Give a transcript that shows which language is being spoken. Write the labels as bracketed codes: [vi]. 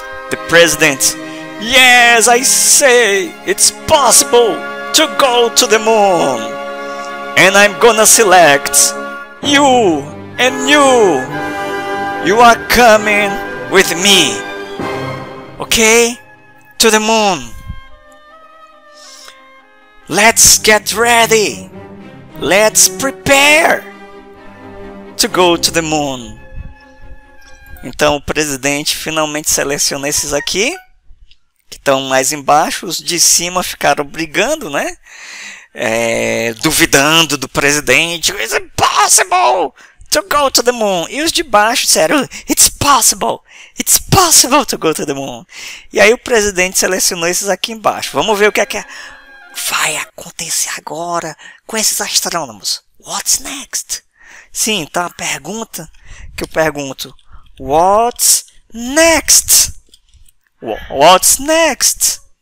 [en] The president, yes, I say it's possible to go to the moon, and I'm gonna select you, and you are coming with me, okay, to the moon. Let's get ready, let's prepare to go to the moon. [pt] Então, o presidente finalmente selecionou esses aqui, que estão mais embaixo. Os de cima ficaram brigando, né? Duvidando do presidente. [en] It's impossible to go to the moon. [pt] E os de baixo disseram, [en] it's possible. It's possible to go to the moon. [pt] E aí, o presidente selecionou esses aqui embaixo. Vamos ver o que é que vai acontecer agora com esses astrônomos. [en] What's next? [pt] Sim, então, a pergunta que eu pergunto. [en] What's next? What's next?